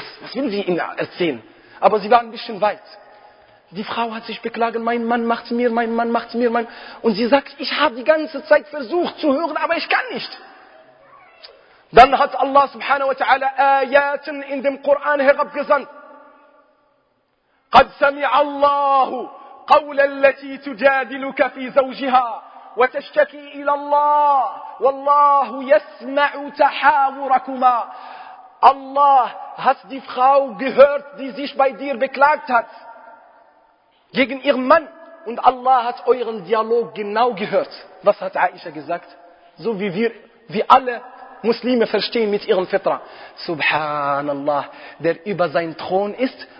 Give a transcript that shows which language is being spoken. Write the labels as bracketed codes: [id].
[de] Was will sie ihnen erzählen? Aber sie war ein bisschen weit. Die Frau hat sich beklagen. Mein Mann macht es mir. Und sie sagt, ich habe die ganze Zeit versucht zu hören, aber ich kann nicht. Dann hat Allah subhanahu wa ta'ala Ayaten in dem Koran herabgesandt. [ar] قد سمع الله قول التي تجادلك في زوجها وتشتكي إلى الله والله يسمع تحاوركما. [de] Allah hat die Frau gehört, die sich bei dir beklagt hat gegen ihren Mann, und Allah hat euren Dialog genau gehört. Was hat Aisha gesagt? So wie wir alle Muslime verstehen mit ihren Fitra. Subhanallah, der über seinen Thron ist.